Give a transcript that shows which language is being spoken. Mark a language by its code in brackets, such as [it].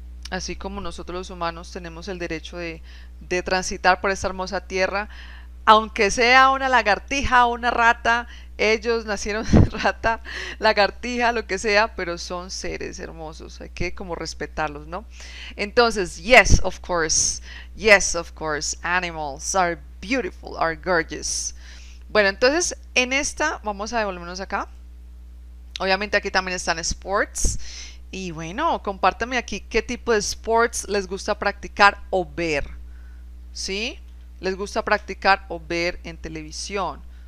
[es] Así como nosotros los humanos tenemos el derecho de transitar por esta hermosa tierra. Aunque sea una lagartija o una rata, ellos nacieron rata, lagartija, lo que sea, pero son seres hermosos. Hay que como respetarlos, ¿no? [en] Entonces, yes, of course, animals are beautiful, are gorgeous. [es] Bueno, entonces en esta vamos a devolvernos acá. Obviamente aquí también están sports. Y bueno, compártame aquí qué tipo de sports les gusta practicar o ver. ¿Sí? Les gusta practicar o ver en televisión.